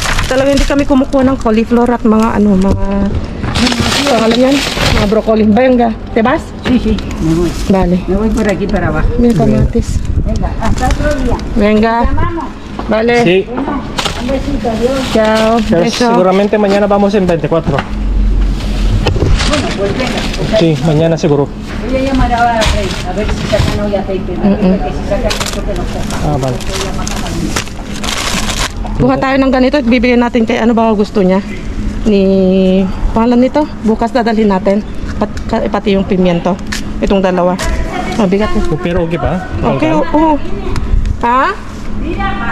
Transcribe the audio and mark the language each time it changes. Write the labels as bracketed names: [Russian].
[Filipino] Talaga hindi kami kumukuha ng coliflor at mga, ano, mga... Ano yan? Yan? Mga broccoli. [Spanish] Benga, te vas? Sí, sí. Me voy. Vale. Me voy por aquí para abajo. Mil tomates. Venga, hasta otro día. Venga. ¿Llamamos? Vale. Sí. Un besito, adiós. Chao, beso. Seguramente mañana vamos en 24. Pues venga, sí, mañana seguro. Voy a llamar ahora a Rey, a ver si sacan hoy aceite. Porque si sacan esto que no sepa. Ah, vale. [Filipino] Buka tayo ng ganito at bibili natin kay ano ba gusto niya. Ni pangalan nito, bukas dadalhin natin. Pati yung pimiento. Itong dalawa. Mabigat. Pero okay ba? Okay, oo. Ha? [Spanish] Mira,